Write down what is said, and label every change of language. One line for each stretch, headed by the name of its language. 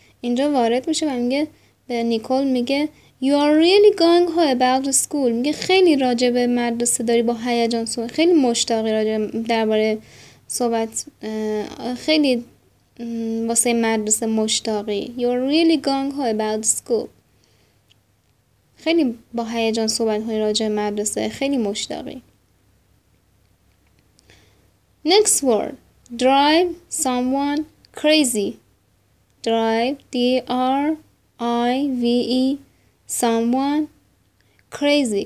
Persian: اینجا وارد میشه و میگه به نیکول میگه
English: You are really going home about the school.
Persian: میگه خیلی راجع به مدرسه داری با هیجان صحبت، خیلی مشتاقی راجع درباره صحبت، خیلی واسه مدرسه مشتاقی.
English: You are really going home about the school.
Persian: خیلی با هیجان صحبت های راجع مدرسه، خیلی مشتاقی.
English: Next word, drive someone crazy. Drive, D-R-I-V-E, someone crazy.